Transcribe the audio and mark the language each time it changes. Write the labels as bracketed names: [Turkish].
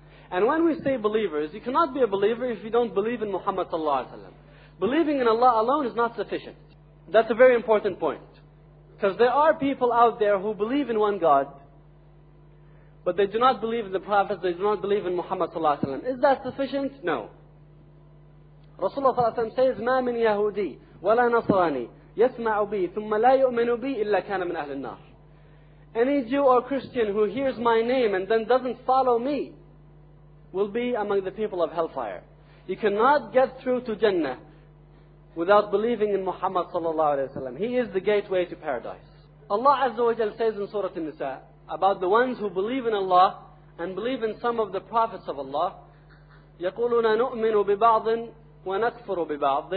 [English] And when we say believers, you cannot be a believer if you don't believe in Muhammad sallallahu alayhi wa sallam. Believing in Allah alone is not sufficient. That's a very important point. Because there are people out there who believe in one God, but they do not believe in the Prophet, they do not believe in Muhammad sallallahu alayhi wa sallam. Is that sufficient? No. Rasulullah sallallahu alayhi wa sallam says, [Arabic] مَا مِنْ يَهُودِي وَلَا نَصْرَانِي يَسْمَعُ بِي ثُمَّ لَا يُؤْمِنُ بِي إِلَّا كَانَ مِنْ أَهْلِ النَّارِ. [English] Any Jew or Christian who hears my name and then doesn't follow me will be among the people of hellfire. You cannot get through to Jannah without believing in Muhammad sallallahu alayhi wa sallam. He is the gateway to paradise. Allah azza wa jal says in Surah An-Nisa about the ones who believe in Allah and believe in some of the prophets of Allah, [Arabic] يَقُولُنَا نُؤْمِنُ بِبَعْضٍ وَنَكْفُرُ بِبَعْضٍ.